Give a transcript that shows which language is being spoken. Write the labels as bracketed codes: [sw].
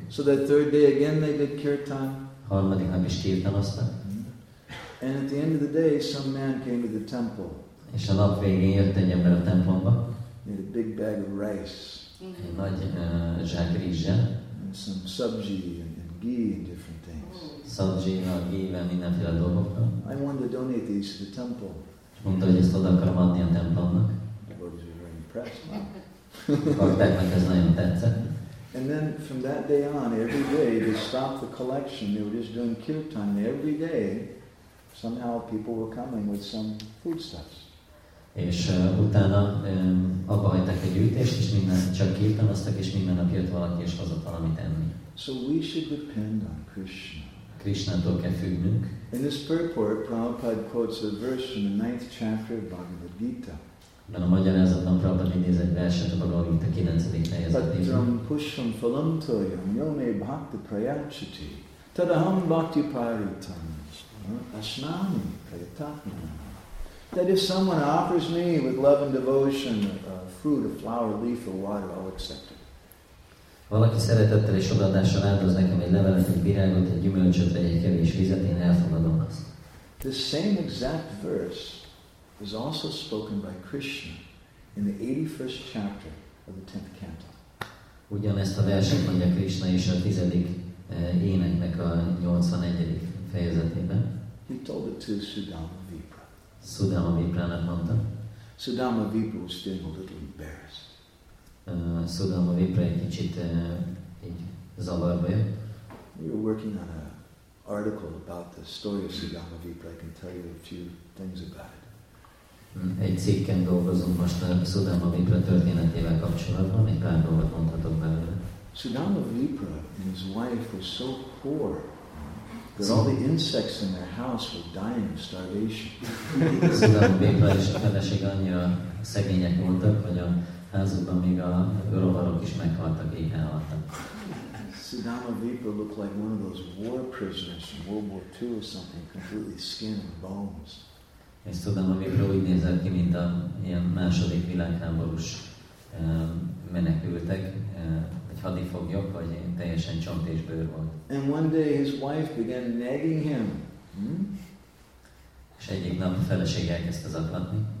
[en] So that third day again they did kirtan. [hu] Harmadik nap is kirtanoztak. [en] And at the end of the day, some man came to the temple. [hu] És a nap végén jött egy ember a templomba. [en] He had a big bag of rice. [hu] Egy nagy zsák rizsel. [en] Some sabji and ghee and different things. [hu] Sabji, a ghee-vel mindenféle dolgokkal. [en] I wanted to donate these to the temple. [hu] Mondta, hogy ezt oda akarom adni a templomnak. [en] Devotees were very impressed. Wow. [hu] Bakteknek ez nagyon tetszett. [en] And then from that day on, every day they stopped the collection. They were just doing kirtan every day. Somehow people were coming with some foodstuffs. [hu] És utána abba hagyták a gyűjtést, és minden csak kirtanoztak, és minden nap jött valaki, és hozott valamit enni. [en] So we should depend on Krishna. [hu] Krishnától kell függnünk. [en] In this purport, Prabhupada quotes a verse from the 9th chapter of Bhagavad Gita. [hu] Mert a magyarázatban Prabhupada idéz egy verset a Bhagavad Gita 9. fejezetében. [sa] Tadram pushyam phalam toyam yome bhakti prayachati tadaham bhakti paritam asnami prayatatmanam. [en] That if someone offers me with love and devotion a fruit, a flower, a leaf, or water, I'll accept it. [hu] Valaki szeretettel és odaadással áldoz nekem egy levelet, egy virágot, egy gyümölcsöt, vagy egy kevés vizet, én elfogadom azt. [en] The same exact verse is also spoken by Krishna in the 81st chapter of the 10th canto. [hu] Ugyanezt a verset mondja Krishna is a 10. éneknek a 81. fejezetében. [en] He told it to Sudama Vipra. [hu] Sudama Vipra-nak mondta. [en] Sudama Vipra was feeling a little embarrassed. [hu] Sudama Vipra egy kicsit egy zavarba jött. [en] We were working on an article about the story of Sudama Vipra. I can tell you a few things about it. [hu] Egy cikken dolgozunk most a Sudama Vipra történetével kapcsolatban. Egy pár dolgot mondhatok belőle. [en] Sudama Vipra and his wife were so poor that all the insects in their house were dying of starvation. [hu] Sudama Vipra és a felesége annyira szegények voltak, hogy a házukban még a rovarok is meghaltak, éhen haltak. [en] Sudama Vipra looked like one of those war prisoners from World War II or something, completely skin and bones. [hu] És Sudama Vipra úgy nézett ki, mint a ilyen második világháborús menekültek, vagy hadifoglyok, vagy teljesen csont és bőr volt. [en] And one day his wife began nagging him. [hu] És egyik nap a felesége elkezdte zaklatni.